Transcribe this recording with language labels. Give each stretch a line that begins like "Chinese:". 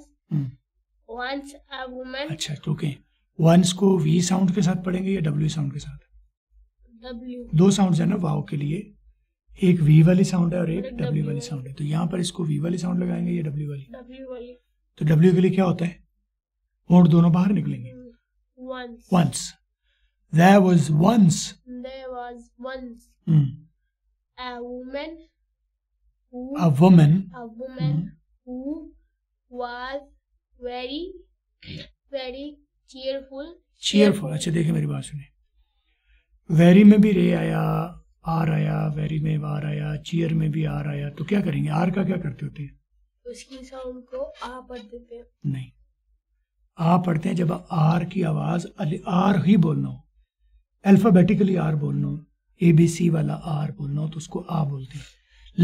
Hindi: अच्छा, तो okay, once को वी साउंड के साथ पढ़ेंगे या डब्ल्यू साउंड के साथ? डब्ल्यू, दो साउंड है ना वाओ के लिए, एक वी वाली साउंड है और एक डब्ल्यू वाली साउंड है, तो यहाँ पर इसको वी वाली साउंड लगाएंगे या डब्ल्यू वाली? डब्ल्यू वाली। तो डब्ल्यू के लिए क्या होता है, होंठ दोनों बाहर निकलेंगे।
English: Once, there was once a woman who was very, very cheerful.
Hindi: अच्छा देखिए मेरी बात सुनिए, वेरी में भी रे आया, आर आया, वेरी में आर आया, चीयर में भी आर आया, तो क्या करेंगे, आर का क्या करते होते हैं? उसकी साउंड को आ पढ़ते थे। नहीं, आ पढ़ते हैं जब आर की आवाज, आर ही बोलना हो, अल्फाबेटिकली आर बोलना हो, ए बी सी वाला आर बोलना हो, तो उसको आ बोलते हैं।